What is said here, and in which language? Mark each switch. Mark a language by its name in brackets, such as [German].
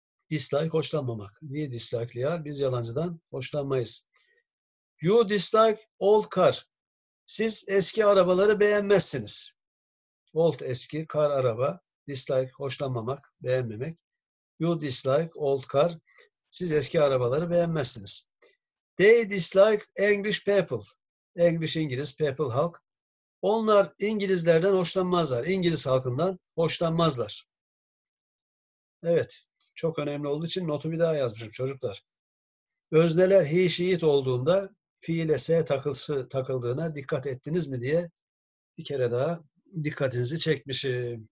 [Turkish] Dislike hoşlanmamak. [English] We dislike liar. [Turkish] Biz yalancıdan hoşlanmayız. [English] You dislike old car. [Turkish] Siz eski arabaları beğenmezsiniz. Old eski, kar araba. Dislike hoşlanmamak, beğenmemek. [English] You dislike old car. [Turkish] Siz eski arabaları beğenmezsiniz. [English] They dislike English people. [Turkish] English İngiliz, people halk. Onlar İngilizlerden hoşlanmazlar. İngiliz halkından hoşlanmazlar. Evet, çok önemli olduğu için notu bir daha yazmışım çocuklar. Özneler he she it olduğunda fiile se takıldığına dikkat ettiniz mi diye bir kere daha dikkatinizi çekmişim.